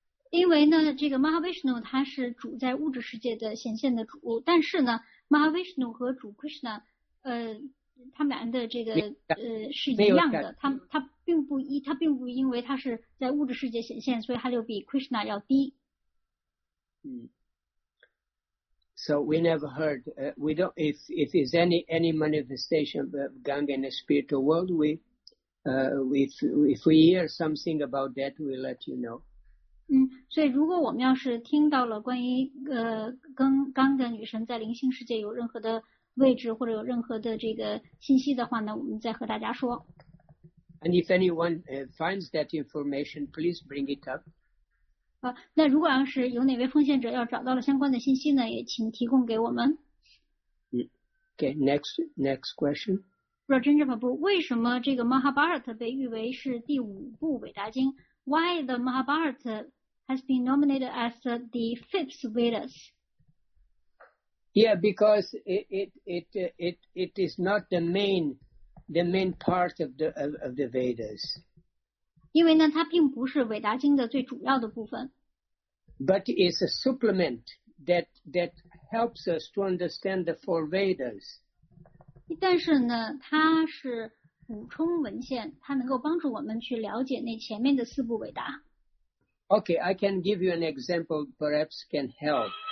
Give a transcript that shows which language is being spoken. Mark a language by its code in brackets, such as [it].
[zh] 因为呢，这个 Mahavishnu 他是主在物质世界的显现的主，但是呢 ，Mahavishnu 和主 Krishna， 他们俩的这个是一样的，他并不因为他是在物质世界显现，所以他就比 Krishna 要低。 [en] So we never heard, we don't. If is any manifestation of Ganga in the spiritual world, if we hear something about that, we'll let you know. [zh] 所以如果我们要是听到了关于跟刚的女神在灵性世界有任何的位置或者有任何的这个信息的话呢，我们再和大家说。 [en] And if anyone finds that information, please bring it up. [zh] 那如果要是有哪位奉献者要找到了相关的信息呢，也请提供给我们。 [en] Okay, next question. [zh] Rajendra Prabhu, 为什么这个 Mahabharata 被誉为是第五部伟大经？ [en] Why the Mahabharata has been nominated as the fifth Vedas? Yeah, because it is not the main part of the Vedas. [zh] 因为呢，它并不是伟达经的最主要的部分。 [en] But it's a supplement that helps us to understand the four Vedas. [zh] 但是呢，它是。补充文献，它能够帮助我们去了解那前面的四部伟达。 [en] Okay, I can give you an example, perhaps can help.